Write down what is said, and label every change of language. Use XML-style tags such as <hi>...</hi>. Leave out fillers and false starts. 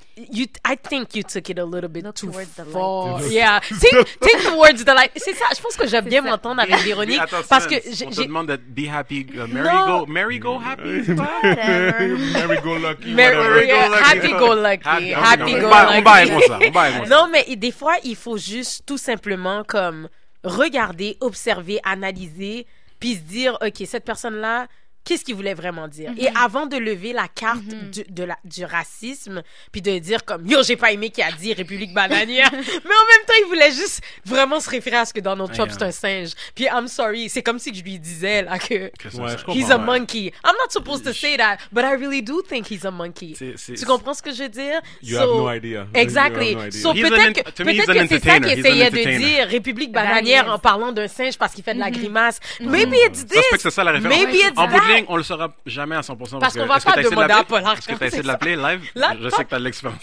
<en>I think you took it a little bit too far. The light. Yeah, take towards the light.</en> <fr>C'est ça, je pense que j'aime bien m'entendre avec Véronique. Attends, parce que on te demande d'être</fr> <en>be happy, merry-go happy. Merry-go lucky. Happy-go lucky. Happy-go lucky.</en> <fr>On baille pour ça, on baille pour ça. Non, mais des fois, il faut juste tout simplement comme regarder, observer, analyser, puis se dire, OK, cette personne-là, qu'est-ce qu'il voulait vraiment dire? Mm-hmm. Et avant de lever la carte du racisme, puis de dire comme, yo, j'ai pas aimé qu'il a dit République bananière, mais en même temps, il voulait juste vraiment se référer à ce que Donald Trump, c'est un singe. Puis,</fr> <en>I'm sorry,</en> <fr>c'est comme si je lui disais, là, que</fr> <en>he's a monkey. I'm not supposed to say that, but I really do think he's a monkey.</en> <fr>Tu comprends ce que je veux dire?</fr> <en>You have no idea.</en> <fr>So, peut-être que c'est ça qu'il essayait de dire, République bananière, en parlant d'un singe parce qu'il fait de la grimace.</fr> <en>Maybe it's this. Maybe it's that.</en> <fr>On le saura jamais à 100% parce qu'on va pas demander à Paul Arcand. Est-ce que t'as essayé de l'appeler live? Je sais que t'as de l'expérience.</fr>